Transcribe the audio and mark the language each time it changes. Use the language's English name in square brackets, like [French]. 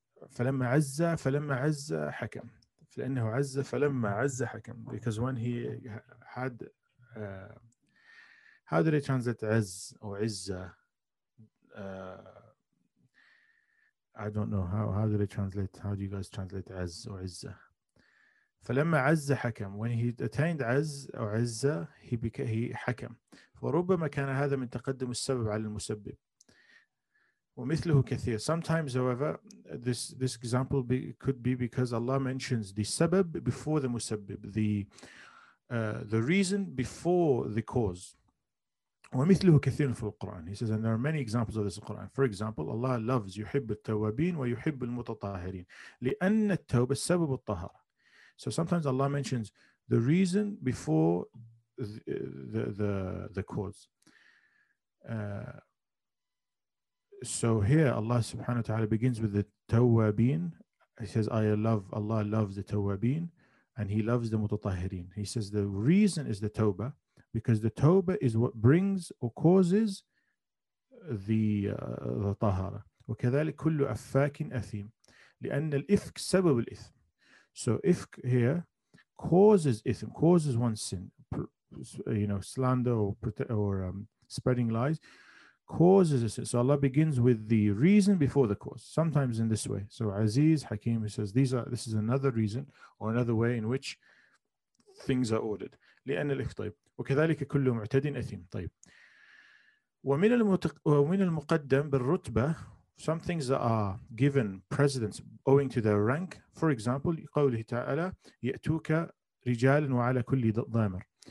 [Arabic] فلما عز فلما عز حكم لأنه عز فلما عز حكم. [English] Because when he had how do they translate عز or عزة, I don't know how do they translate, how do you guys translate عز or عزة. [Arabic] فلما عز حكم, [English] when he attained [Arabic] عز or عزة, he حكم. فربما كان هذا من تقدم السبب على المسبب ومثله كثير. [English] Sometimes, however, this example could be because Allah mentions the sabab before the musabib, the reason before the cause. [Arabic] ومثله كثير في القرآن. [English] He says, and there are many examples of this in the Quran. For example, Allah loves, [Arabic] يحب التوابين ويحب المتطهرين لأن التوبة سبب الطهارة. [English] So sometimes Allah mentions the reason before the cause. So here Allah subhanahu wa ta'ala begins with the tawabin. He says, Allah loves the tawabin and he loves the mutatahirin. He says the reason is the tawbah, because the tawbah is what brings or causes the tahara. [Arabic] وَكَذَلِكْ كُلُّ أَفَّاكٍ أَثِيمٍ لِأَنَّ الْإِفْكْ سَبَبُ الْإِثْمِ. [English] So ifk here causes ithm, causes one's sin, you know, slander or spreading lies. Causes a sin. So Allah begins with the reason before the cause. Sometimes in this way. So Aziz Hakim, he says this is another reason or another way in which things are ordered. [Arabic] لأن الإخطاب وكذلك كل معتد أثيم. طيب ومن المقدم بالرتبة. [English] Some things that are given precedence owing to their rank. For example, [Arabic] قوله تعالى يأتوك رجال وعلى كل ضامر.